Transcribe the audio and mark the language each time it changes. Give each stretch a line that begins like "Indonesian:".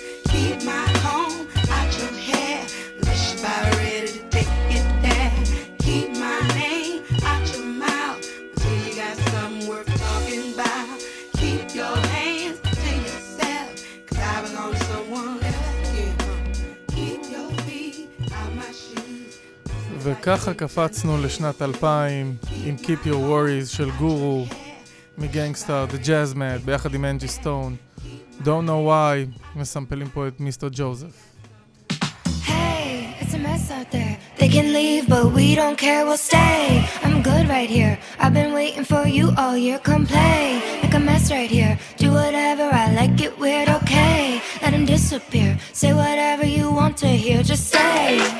English: Keep my comb out your hair. Unless you're about ready to take it there. Keep my name out your mouth. Until you got some work talking about. Keep your hands to yourself. Cause I belong to someone else. Keep your feet out my shoes.
Hebrew: וככה קפצנו לשנת 2000 עם Keep Your Worries של גורו מגנגסטר, The Jazz Mad, ביחד עם אנג'י סטון. Don't Know Why, מסמפלים פה את מיסטר ג'וזף.
English: Hey, it's a mess out there. They can leave, but we don't care, we'll stay. I'm good right here. I've been waiting for you all year. Come play. Make a mess right here. Do whatever, I like it weird, okay. Let them disappear. Say whatever you want to hear, just stay.